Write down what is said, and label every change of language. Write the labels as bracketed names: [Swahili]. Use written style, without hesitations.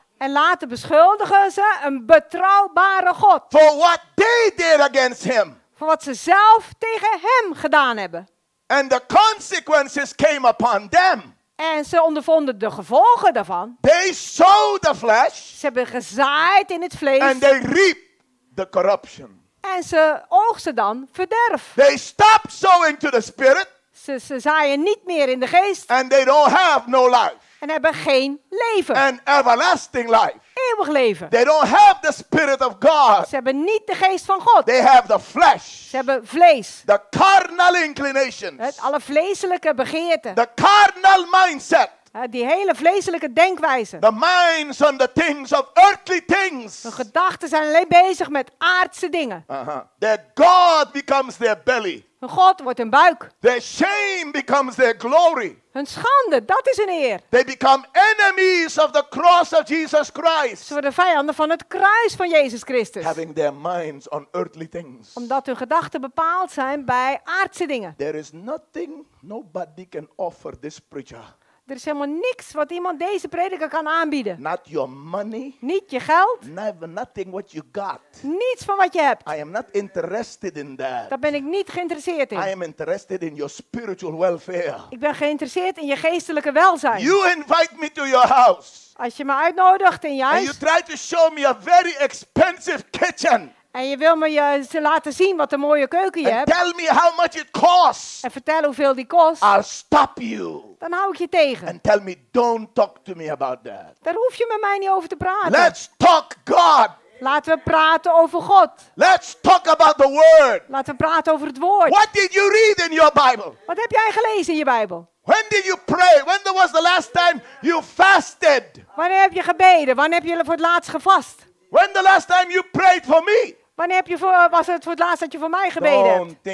[Dutch] En later beschuldigen ze een betrouwbare God. [English] For what they did against him. [Dutch] Voor wat ze zelf tegen hem gedaan hebben. [English] And the consequences came upon them. [Dutch] En ze ondervonden de gevolgen daarvan. [English] They sow the flesh. [Dutch] Ze hebben gezaaid in het vlees. [English] And they reap. The corruption. [Dutch] En ze oogsten dan verderf. [English] They stop sowing to the spirit. [Dutch] Ze zaaien niet meer in de geest. [English] And they don't have no life. [Dutch] En hebben geen leven. [English] An everlasting life. [Dutch] Eeuwig leven. [English] They don't have the spirit of God. [Dutch] Ze hebben niet de geest van God. [English] They have the flesh. [Dutch] Ze hebben vlees. [English] The carnal inclinations. [Dutch] Het alle vleeselijke begeerten. [English] The carnal mindset. [Dutch] Die hele vleeselijke denkwijze. [English] The minds on the things of earthly things. [Dutch] Hun gedachten zijn alleen bezig met aardse dingen. Uh-huh. [English] Their God becomes their belly. [Dutch] Hun God wordt hun buik. [English] Their shame becomes their glory. [Dutch] Hun schande, dat is hun eer. [English] They become enemies of the cross of Jesus Christ. [Dutch] Ze worden vijanden van het kruis van Jezus Christus. [English] Having their minds on earthly things. [Dutch] Omdat hun gedachten bepaald zijn bij aardse dingen. [English] There is nothing nobody can offer this preacher. [Dutch] Er is helemaal niks wat iemand deze prediker kan aanbieden. [English] Not your money. [Dutch] Niet je geld. [English] Never nothing what you got. [Dutch] Niets van wat je hebt. [English] I am not interested in that. [Dutch] Daar ben ik niet geïnteresseerd in. [English] I am interested in your spiritual welfare. [Dutch] Ik ben geïnteresseerd in je geestelijke welzijn. [English] You invite me to your house. [Dutch] Als je me uitnodigt in je huis. [English] And you try to show me a very expensive kitchen. [Dutch] En je wil me ze laten zien wat een mooie keuken je [English] and [Dutch] hebt. [English] Tell me how much it costs. [Dutch] En vertel hoeveel die kost. [English] I'll stop you. [Dutch] Dan hou ik je tegen. [English] And tell me, don't talk to me about that. [Dutch] Daar hoef je met mij niet over te praten. [English] Let's talk God. [Dutch] Laten we praten over God. [English] Let's talk about the word. [Dutch] Laten we praten over het woord. [English] What did you read in your Bible? [Dutch] Wat heb jij gelezen in je Bijbel? [English] When did you pray? When was the last time you fasted? [Dutch] Wanneer heb je gebeden? Wanneer heb je voor het laatst gevast? [English] When the last time you prayed for me? [Dutch] Wanneer heb je was het voor het laatst dat je voor mij gebeden hebt?